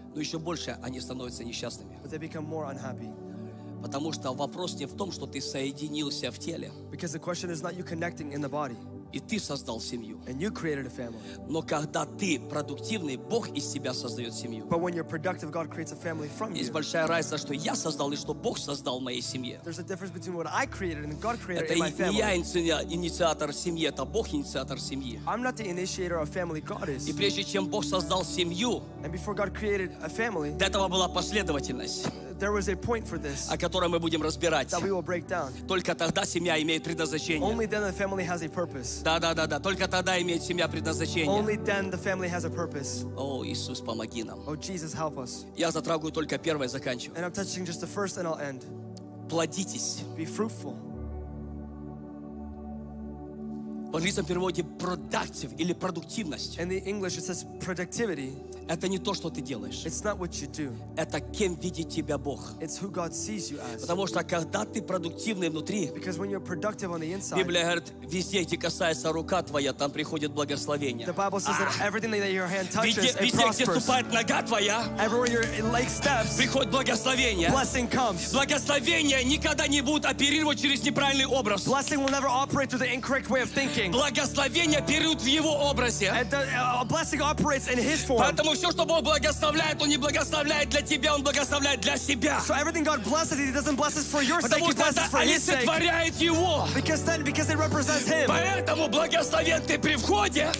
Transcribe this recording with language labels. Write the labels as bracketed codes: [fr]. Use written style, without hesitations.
[ru] Но еще больше они становятся несчастными. [en] But they become more unhappy. [ru] Потому что вопрос не в том, что ты соединился в теле. [en] Because the question is not you connecting in the body. [ru] И ты создал семью. [en] And you created a family. [ru] Но когда ты продуктивный, Бог из себя создает семью. [en] But when you're productive, God creates a family from you. [ru] Есть большая разница, что я создал и что Бог создал в моей семье. [en] There's a difference between what I created and God created in my family. [ru] Это не я инициатор семьи, это Бог инициатор семьи. [en] I'm not the initiator of family, God is. [ru] И прежде чем Бог создал семью, [en] and before God created a family, [ru] до этого была последовательность. [en] there was a point for this. [ru] О котором мы будем разбирать. [en] That we will break down. [ru] Только тогда семья имеет предназначение. [en] Only then the family has a purpose. [ru] Да. Только тогда имеет семья предназначение. [en] Only then the family has a purpose. [ru] О, Иисус, помоги нам. [en] Oh Jesus, help us. [ru] Я затрагиваю только первое, заканчиваю. [en] And I'm touching just the first and I'll end. [ru] Плодитесь. [en] Be fruitful. [ru] В английском переводе productive или продуктивность. [en] In the English it says productivity. [ru] Это не то, что ты делаешь. [en] It's not what you do. [ru] Это кем видит тебя Бог. [en] It's who God sees you as. [ru] Потому что когда ты продуктивный внутри, [en] because when you're productive on the inside, [ru] Библия говорит, везде, где касается рука твоя, там приходит благословение. [en] The Bible says that everything that your hand touches, [ru] везде, [en] it prospers. [ru] Везде, где ступает нога твоя, [en] everywhere your leg steps, [ru] приходит благословение. [en] Blessing comes. [ru] Благословение никогда не будет оперировать через неправильный образ. [en] Blessing will never operate through the incorrect way of thinking. [ru] Благословение оперирует в его образе. [en] And the, blessing operates in his form. [ru] Поэтому все, что Бог благословляет, Он не благословляет для тебя, Он благословляет для себя. [en] So everything God blesses, He doesn't bless for your [ru] потому [en] sake, He blesses for His sake. [ru] Потому что они сотворяют Его. [en] Because then, because it represents Him. [ru] Поэтому благословен ты при входе.